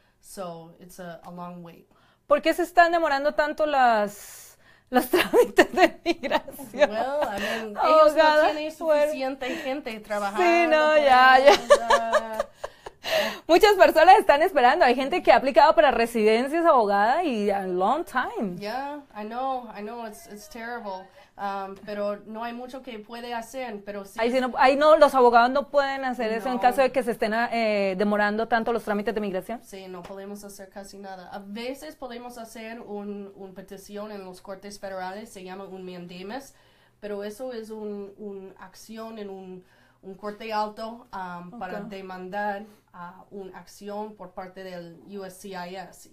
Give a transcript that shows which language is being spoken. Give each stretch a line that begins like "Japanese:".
English: So it's a long wait.
Spanish: ¿Por qué se están demorando tanto los trámites de migración?
English: Well, I mean,
Spanish: abogada, ellos no tienen suficiente gente trabajando. Sí, no, ya. Muchas personas están esperando. Hay gente que ha aplicado para residencias, abogada, y
English: a long time. Yeah, I know, it's terrible.
Spanish: Pero no hay mucho que puede hacer, pero sí. Ahí no, los abogados no pueden hacer eso en caso de que se estén demorando tanto los trámites de migración. Sí, no podemos hacer casi nada. A veces podemos hacer un petición en los cortes federales, se llama un mandamus, pero eso es un acción en un corte alto para demandar una acción por parte del USCIS.